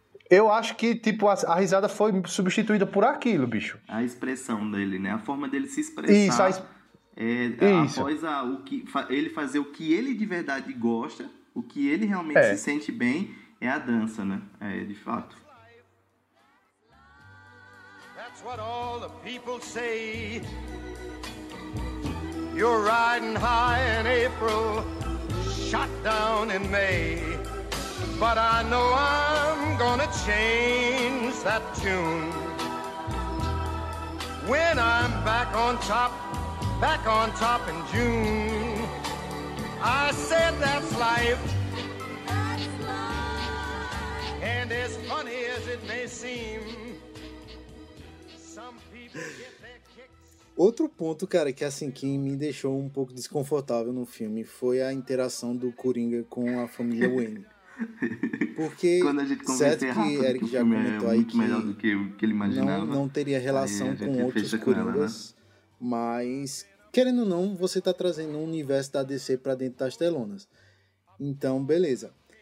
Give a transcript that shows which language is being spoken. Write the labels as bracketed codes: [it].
[pt] Eu acho que, tipo, a risada foi substituída por aquilo, bicho. A expressão dele, né? A forma dele se expressar. Isso, após ele fazer o que ele de verdade gosta, o que ele realmente se sente bem, é a dança, né? É, de fato. [en] That's what all the people say. You're riding high in April, shot down in May. But I know I'm gonna change that tune. When I'm back on top in June. I said that's life. And as funny as it may seem, some people get their kicks. [pt] Outro ponto, cara, que assim que me deixou um pouco desconfortável no filme foi a interação do Coringa com a família Wayne. Porque, quando a gente conversa que o Eric já comentou é aí que, melhor do que ele imaginava, não teria relação com outros Coringas, né? Mas, querendo ou não, você tá trazendo um universo da DC pra dentro das telonas. Então, beleza.